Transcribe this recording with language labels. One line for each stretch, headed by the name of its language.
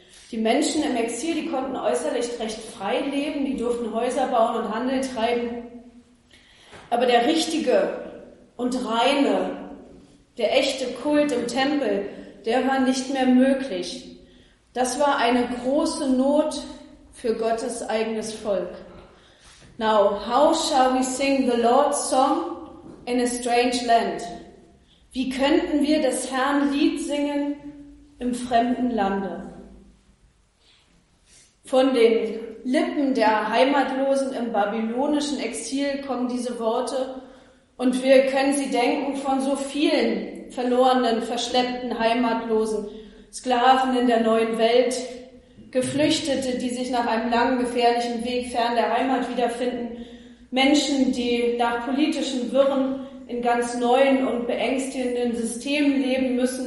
German: Die Menschen im Exil, die konnten äußerlich recht frei leben, die durften Häuser bauen und Handel treiben. Aber der richtige und reine, der echte Kult im Tempel, der war nicht mehr möglich. Das war eine große Not für Gottes eigenes Volk.
English: Now, how shall we sing the Lord's song in a strange land?
German: Wie könnten wir des Herrn Lied singen im fremden Lande? Von den Lippen der Heimatlosen im babylonischen Exil kommen diese Worte und wir können sie denken von so vielen verlorenen, verschleppten Heimatlosen, Sklaven in der neuen Welt, Geflüchtete, die sich nach einem langen, gefährlichen Weg fern der Heimat wiederfinden, Menschen, die nach politischen Wirren in ganz neuen und beängstigenden Systemen leben müssen.